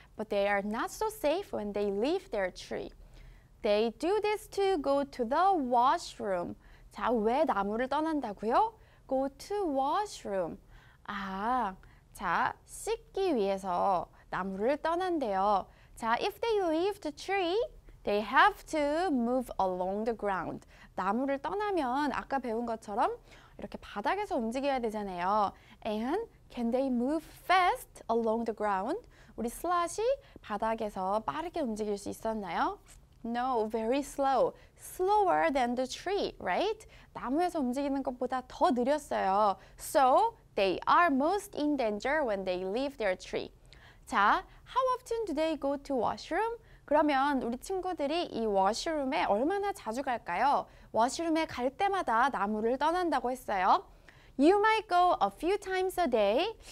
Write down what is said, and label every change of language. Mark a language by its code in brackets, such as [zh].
[en] But they are not so safe when they leave their tree. They do this to go to the washroom. [ko] 자, 왜 나무를 떠난다고요? [en] Go to washroom. [ko] 아, 자, 씻기 위해서 나무를 떠난대요. [en] 자, if they leave the tree, they have to move along the ground. [ko] 나무를 떠나면 아까 배운 것처럼 이렇게 바닥에서 움직여야 되잖아요. [en] And can they move fast along the ground? [ko] 우리 슬롯이 바닥에서 빠르게 움직일 수 있었나요? [en] No, very slow. Slower than the tree, right? [ko] 나무에서 움직이는 것보다 더 느렸어요. [en] So, they are most in danger when they leave their tree. 자, how often do they go to washroom? [ko] 그러면 우리 친구들이 이 washroom에 얼마나 자주 갈까요? Washroom에 갈 때마다 나무를 떠난다고 했어요. [en] You might go a few times a day.